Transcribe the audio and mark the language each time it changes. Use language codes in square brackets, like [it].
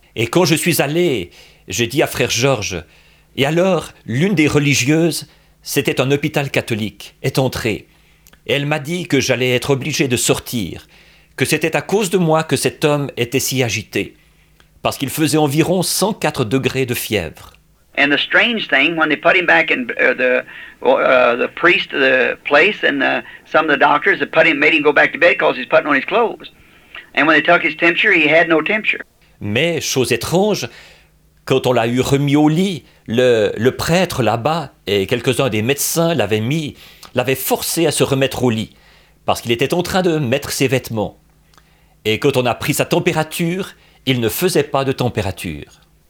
[fr] Et quand je suis allé, j'ai dit à Frère George, et alors l'une des religieuses, c'était un hôpital catholique, est entrée. Elle m'a dit que j'allais être obligé de sortir, que c'était à cause de moi que cet homme était si agité, parce qu'il faisait environ 104 degrés de fièvre. [en] And the strange thing, when they put him back in the priest of the place and the, some of the doctors, they put him, made him go back to bed because he's putting on his clothes. And when they took his temperature, he had no temperature. [fr] Mais, chose étrange, quand on l'a eu remis au lit, le prêtre là-bas et quelques-uns des médecins l'avaient forcé à se remettre au lit parce qu'il était en train de mettre ses vêtements. Et quand on a pris sa température, il ne faisait pas de température.